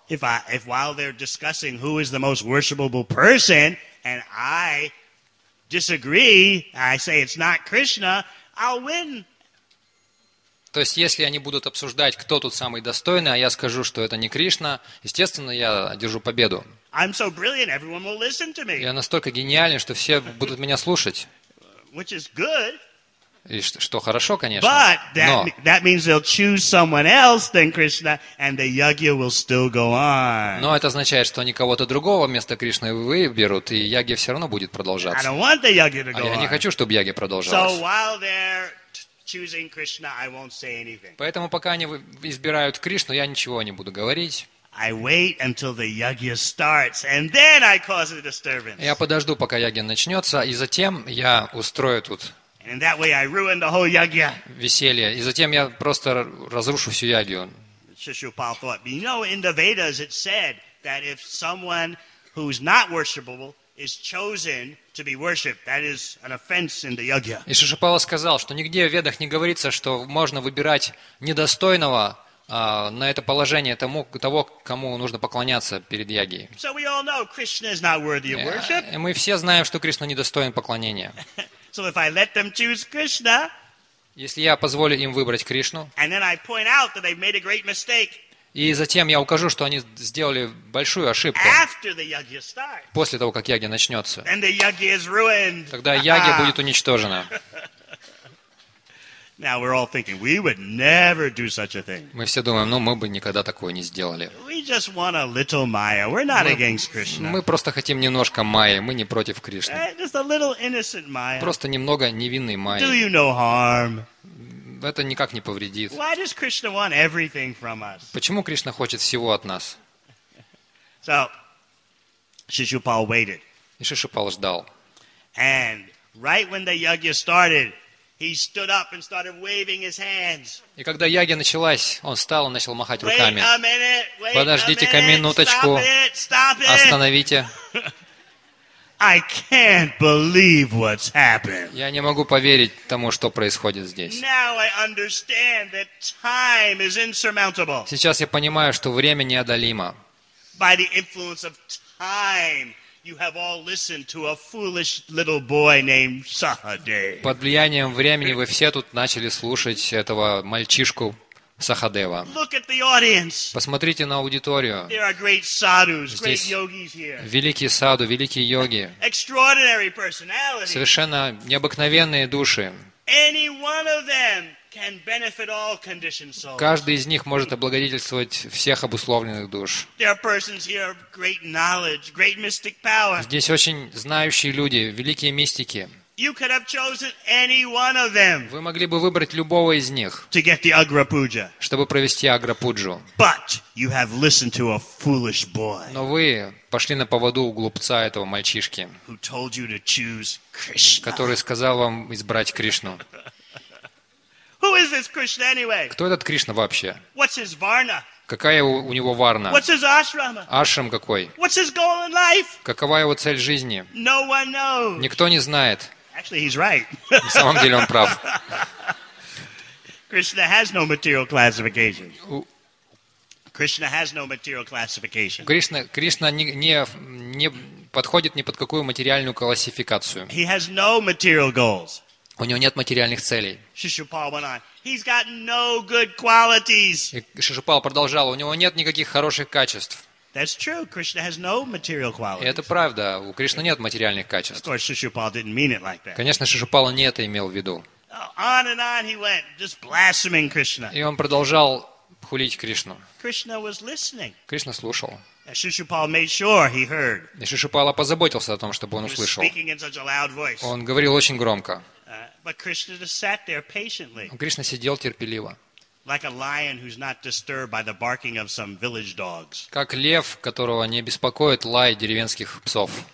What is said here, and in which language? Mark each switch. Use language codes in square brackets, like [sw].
[ru] То есть, если они будут обсуждать, кто тут самый достойный, а я скажу, что это не Кришна, естественно, я одержу победу. [en] I'm so brilliant, everyone will listen to me. [ru] Я настолько гениален, что все будут меня слушать. [en] Which is good. [ru] И что хорошо, конечно. [en] But that means they'll choose someone else than Krishna, and the yagya will still go on. [ru] Но это означает, что они кого-то другого вместо Кришны выберут, и ягья все равно будет продолжаться. [en] I don't want the yagya to go [ru] А я не хочу, чтобы ягья продолжалась. [en] So while they're choosing Krishna, I won't say anything. [ru] Поэтому пока они избирают Кришну, я ничего не буду говорить. [en] I wait until the yagya starts, and then I cause a disturbance. [ru] Я подожду, пока ягья начнется, и затем я устрою тут. [en] And in that way I ruin the whole yagya. [ru] Веселье. И затем я просто разрушу всю ягью. [en] Шишупал thought, you know, in the Vedas it said that if someone who's not worshipable is chosen to be worshipped, that is an offense in the yagya. [ru] И Шишупал сказал, что нигде в Ведах не говорится, что можно выбирать недостойного на это положение того, кому нужно поклоняться перед ягьей. [en] So we all know Krishna is not worthy of worship. [ru] И мы все знаем, что Кришна недостоин поклонения. [en] So if I let them choose Krishna, [ru] если я позволю им выбрать Кришну, [en] and then I point out that they've made a great mistake, [ru] и затем я укажу, что они сделали большую ошибку, [en] after the yagya starts, [ru] после того, как ягья начнется, [en] and the yagya is ruined, [ru] тогда ягья будет уничтожена. [en] Now we're all thinking we would never do such a thing. [ru] Мы все думаем, ну мы бы никогда такого не сделали. [en] We just want a little maya. We're not against Krishna. [ru] Мы просто хотим немножко майи, мы не против Кришны. [en] Just a little innocent maya. [ru] Просто немного невинной майи. [en] Do you no harm? [ru] Это никак не повредит. [en] Why does Krishna want everything from us? [ru] Почему Кришна хочет всего от нас? [en] So Shishupal waited. [ru] И Шишупал ждал. [en] And right when the yagya started, he stood up and started waving his hands. [ru] И когда ягья началась, он встал и начал махать руками. [en] Wait a minute, wait [ru] подождите-ка [en] a minute, [ru] минуточку. [en] Stop it. [ru] Остановите. [en] I can't believe what's happened. [ru] Я не могу поверить тому, что происходит здесь. [en] Now I understand that time is insurmountable. [ru] Сейчас я понимаю, что время неодолимо. [en] By the influence of time, you have all listened to a foolish little boy named Sahadev. [ru] Под влиянием времени вы все тут начали слушать этого мальчишку Сахадева. [en] Look at the audience. [ru] Посмотрите на аудиторию. [en] There are great sadhus, great yogis here. [ru] Великие саду, великие йоги. [en] Extraordinary personalities. [ru] Совершенно необыкновенные души. [en] Any one of them can benefit all conditioned souls. [ru] Каждый из них может облагодетельствовать всех обусловленных душ. [en] There are persons here of great knowledge, great mystic power. [ru] Здесь очень знающие люди, великие мистики. [en] You could have chosen any one of them. [ru] Вы могли бы выбрать любого из них. [en] To get the Agra Puja. [ru] Чтобы провести Агра-пуджу. [en] But you have listened to a foolish boy. [ru] Но вы пошли на поводу у глупца этого мальчишки. [en] Who told you to choose Krishna? [ru] Который сказал вам избрать Кришну. [en] Who is this Krishna anyway? [ru] Кто этот Кришна вообще? [en] What's his varna? [ru] Какая у него варна? [en] What's his ashrama? [ru] Ашрам какой? [en] What's his goal in life? [ru] Какова его цель жизни? [en] No one knows. [ru] Никто не знает. [en] Actually, he's right. [ru] На самом деле он прав. [en] Krishna has no material classification. Krishna has no material classification. [ru] Кришна не подходит ни под какую материальную классификацию. [en] He has no material goals. [ru] У него нет материальных целей. [en] Шишупал went on. He's got no good qualities. [ru] Шишупал продолжал. У него нет никаких хороших качеств. [en] That's true. Krishna has no material qualities. [ru] Это правда. У Кришны нет материальных качеств. [en] Of course, Шишупал didn't mean it like that. [ru] Конечно, Шишупал не это имел в виду. [en] On and on he went, just blaspheming Krishna. [ru] И он продолжал хулить Кришну. [en] Krishna was listening. [ru] Кришна слушал. [en] Шишупал made sure he heard. [ru] И Шишупал позаботился о том, чтобы он услышал. [en] He was speaking in such a loud voice. [ru] Он говорил очень громко. [en] But Krishna just sat there patiently. [ru] Кришна сидел терпеливо. [en] Like a lion who's not disturbed by the barking of some village dogs. [ru] Как лев, которого не беспокоит лай деревенских псов.